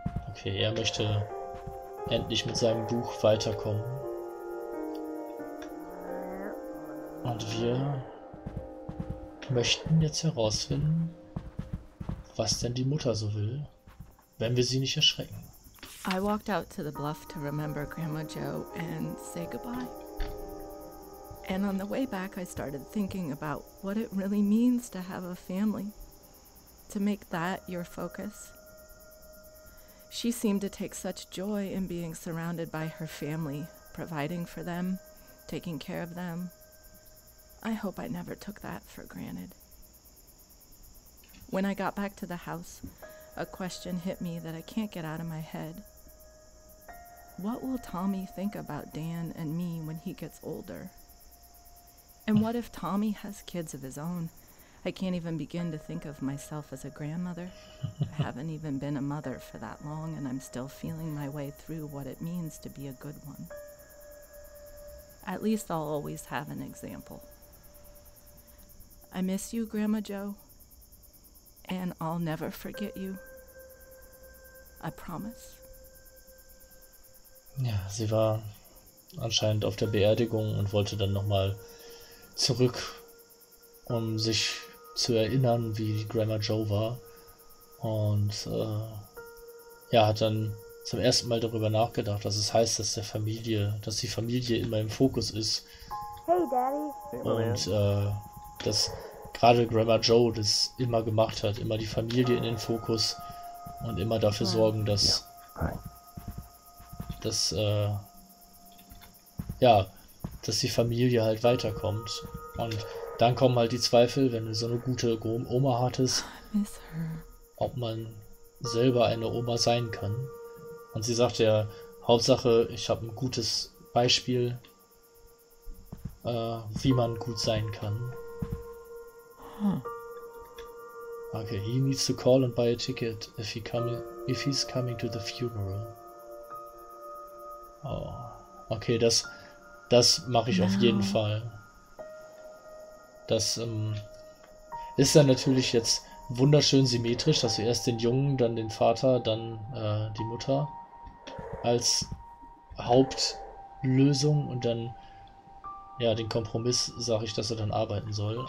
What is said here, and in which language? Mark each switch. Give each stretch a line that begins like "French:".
German: Okay, er möchte endlich mit seinem Buch weiterkommen. Und wir möchten jetzt herausfinden, was denn die Mutter so will, wenn wir sie nicht erschrecken.
English: I walked out to the bluff to remember Grandma Joe and say goodbye. And on the way back, I started thinking about what it really means to have a family, to make that your focus. She seemed to take such joy in being surrounded by her family, providing for them, taking care of them. I hope I never took that for granted. When I got back to the house, a question hit me that I can't get out of my head. What will Tommy think about Dan and me when he gets older? And what if Tommy has kids of his own? I can't even begin to think of myself as a grandmother. I haven't even been a mother for that long, and I'm still feeling my way through what it means to be a good one. At least I'll always have an example. I miss you, Grandma Joe, and I'll never forget you. I promise.
German: Ja, sie war anscheinend auf der Beerdigung und wollte dann nochmal zurück, um sich zu erinnern, wie Grandma Joe war. Und ja, hat dann zum ersten Mal darüber nachgedacht, was es heißt, dass die Familie immer im Fokus ist.
English: Hey Daddy!
German: Und dass gerade Grandma Joe das immer gemacht hat, immer die Familie in den Fokus und immer dafür sorgen, dass... dass die Familie halt weiterkommt. Und dann kommen halt die Zweifel, wenn du so eine gute Oma hattest, ob man selber eine Oma sein kann. Und sie sagte ja, Hauptsache, ich habe ein gutes Beispiel, wie man gut sein kann.
English: Okay, he needs to call and buy a ticket if he's coming to the funeral.
German: Oh, okay, das mache ich auf jeden Fall. Das ist dann natürlich jetzt wunderschön symmetrisch, dass wir erst den Jungen, dann den Vater, dann die Mutter als Hauptlösung und dann ja den Kompromiss sage ich, dass er dann arbeiten soll.